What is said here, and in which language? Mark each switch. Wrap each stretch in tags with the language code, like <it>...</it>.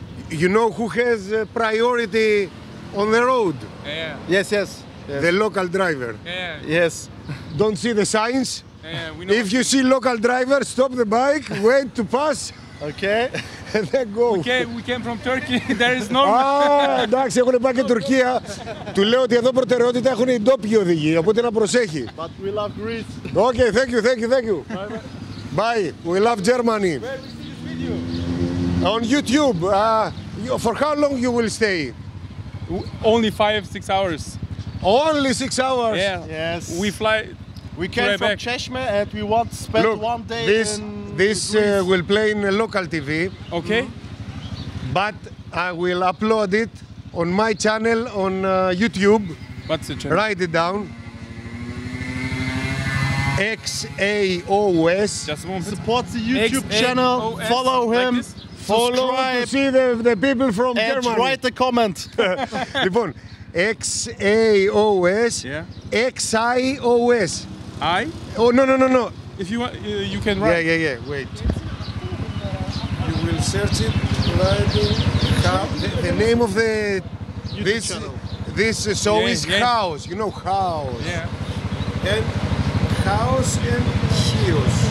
<en>You know who has priority on the road? Yes, yes. The local driver. Yes. Don't see the signs? We know if you see local driver, stop the bike, wait to pass. Okay. And then go. Okay, we came from Turkey. There is normal.</en> <el>Εντάξει, έχουν πάει και Τουρκία. Του λέω ότι εδώ προτεραιότητα έχουν οι ντόπιοι οδηγοί, οπότε να προσέχει.</el> <en>But we love Greece. Okay, thank you. Bye. We love Germany. Where we see this video? On YouTube. For how long you will stay? Only 5-6 hours. Only 6 hours? Yeah. Yes. We fly. We came from Çeşme and we want to spend one day this, in this will play in a local TV. Okay. But I will upload it on my channel on YouTube. What's the channel? Write it down. XAOS. Just a moment. Support the YouTube X-A-O-S. Channel. O-S. Follow him. Like follow subscribe. To see the people from and Germany. Write a comment.</en> <el>Λοιπόν, XAOS.</el> <en>Yeah. XIOS. I? Oh, no, no, no, no. If you want, you can write. Yeah, yeah, yeah, wait. You will search it, write it, the name of the YouTube this channel. This show is Chaos, you know, Chaos. Yeah. And Chaos and Chios.</en>